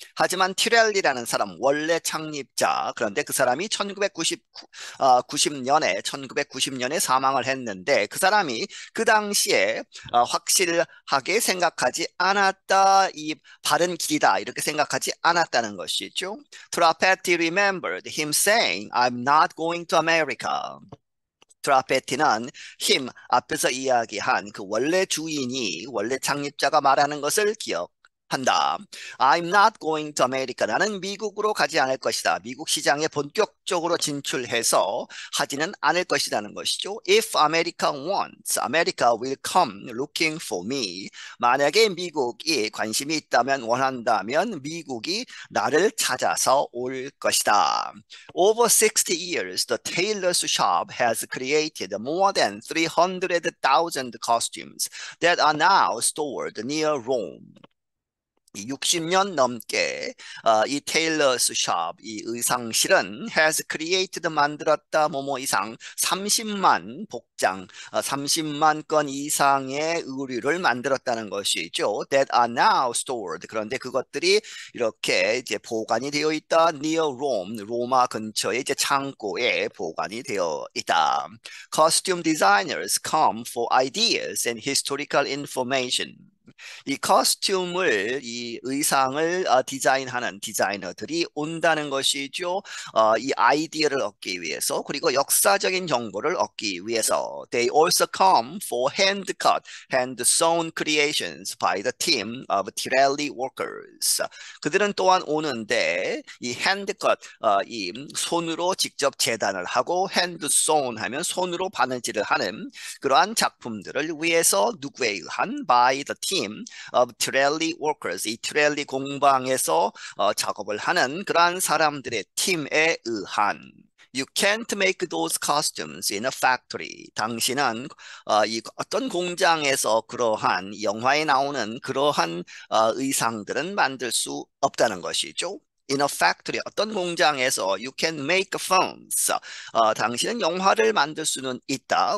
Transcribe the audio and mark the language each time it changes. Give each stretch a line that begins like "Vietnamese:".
Korean: 하지만 티렐리라는 사람 원래 창립자 그런데 그 사람이 1990년에 사망을 했는데 그 사람이 그 당시에 확실히 하게 생각하지 않았다. 이 바른 길이다. 이렇게 생각하지 않았다는 것이죠.
English: Trapetti remembered him saying, I'm not going to America.
Korean: 트라페티는 him 앞에서 이야기한 그 원래 주인이 원래 창립자가 말하는 것을 기억한다.
English: I'm not going to America.
Korean: 나는 미국으로 가지 않을 것이다. 미국 시장에 본격적으로 진출해서 하지는 않을 것이라는 것이죠.
English: If America wants, America will come looking for me.
Korean: 만약에 미국이 관심이 있다면, 원한다면 미국이 나를 찾아서 올 것이다.
English: Over 60 years, the tailor's shop has created more than 300,000 costumes that are now stored near Rome.
Korean: 60년 넘게 이 테일러스 샵, 이 의상실은
English: has created,
Korean: 만들었다, 뭐뭐 이상 30만 복장, 30만 건 이상의 의류를 만들었다는 것이죠.
English: That are now stored.
Korean: 그런데 그것들이 이렇게 이제 보관이 되어 있다.
English: Near Rome,
Korean: 로마 근처의 이제 창고에 보관이 되어 있다.
English: Costume designers come for ideas and historical information.
Korean: 이 커스튬을 이 의상을 디자인하는 디자이너들이 온다는 것이죠. 이 아이디어를 얻기 위해서
English: 그리고 역사적인 정보를 얻기 위해서 They also come for hand-cut, hand-sewn creations by the team of Tirelli workers.
Korean: 그들은 또한 오는데 이 hand-cut, 이 손으로 직접 재단을 하고
English: hand-sewn
Korean: 하면 손으로 바느질을 하는 그러한 작품들을 위해서 누구에 의한?
English: By the team team of trolley workers,
Korean: 이 트레일리 공방에서 작업을 하는 그러한 사람들의 팀에 의한.
English: You can't make those costumes in a factory.
Korean: 당신은 이 어떤 공장에서 그러한 영화에 나오는 그러한 의상들은 만들 수 없다는 것이죠.
English: In a factory,
Korean: 어떤 공장에서
English: you can make films.
Korean: 당신은 영화를 만들 수는 있다.